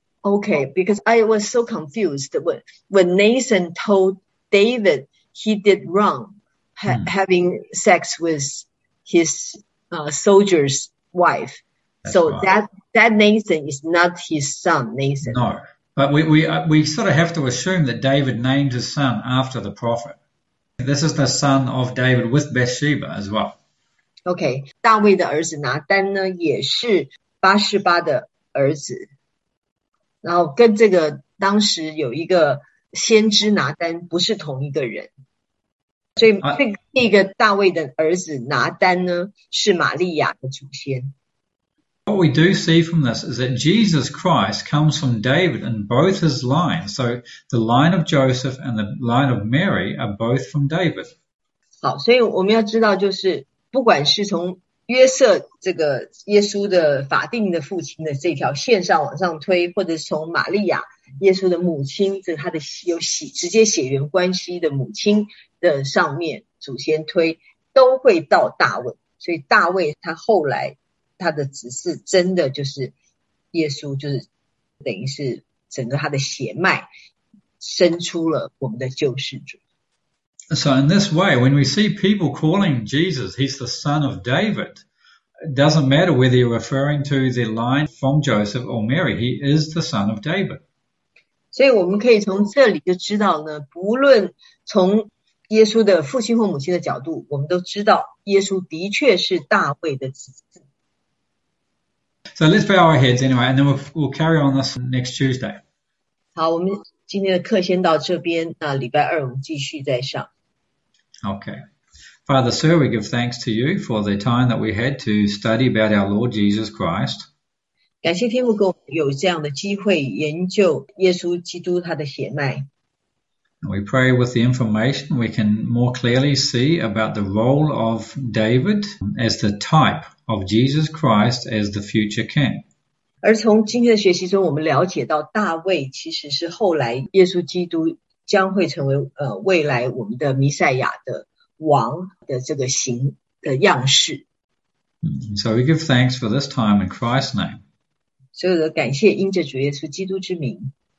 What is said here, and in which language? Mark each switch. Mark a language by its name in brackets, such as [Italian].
[English] Okay, because I was so confused when Nathan told David, he did wrong, having sex with his soldier's wife. That's so right. that Nathan is not his son, Nathan. No, but we sort of have to assume that David named his son after the prophet. This is the son of David with Bathsheba as well. [Chinese] Okay, 大卫的儿子拿单呢，也是八十八的儿子，然后跟这个当时有一个。先知拿单不是同一个人，所以这个大卫的儿子拿单呢，是玛利亚的祖先。 [English] What we do see from this is that Jesus Christ comes from David in both his lines. So the line of Joseph and the line of Mary are both from David. [Chinese] 好，所以我们要知道，就是不管是从约瑟这个耶稣的法定的父亲的这条线上往上推，或者是从玛利亚耶稣的母亲，这他的有血直接血缘关系的母亲的上面祖先推，都会到大卫。所以大卫他后来他的子嗣真的就是耶稣，就是等于是整个他的血脉生出了我们的救世主。 [English] So in this way, when we see people calling Jesus, he's the son of David, it doesn't matter whether you're referring to the line from Joseph or Mary, he is the son of David. [Chinese] 所以我们可以从这里就知道呢，不论从耶稣的父亲或母亲的角度，我们都知道耶稣的确是大卫的子嗣。 [English] So let's bow our heads anyway, and then we'll carry on this next Tuesday. [Chinese] 好，我们今天的课先到这边，那礼拜二我们继续再上。 [English] Okay. Father, sir, we give thanks to you for the time that we had to study about our Lord Jesus Christ. [Chinese] 感谢天父给我们有这样的机会研究耶稣基督他的血脉。 [English] We pray with the information we can more clearly see about the role of David as the type of Jesus Christ as the future king. [Chinese] 而从今天的学习中，我们了解到大卫其实是后来耶稣基督将会成为未来我们的弥赛亚的王的这个形的样式。 [English] So we give thanks for this time in Christ's name. [Chinese] 所有的感谢因着主耶稣基督之名。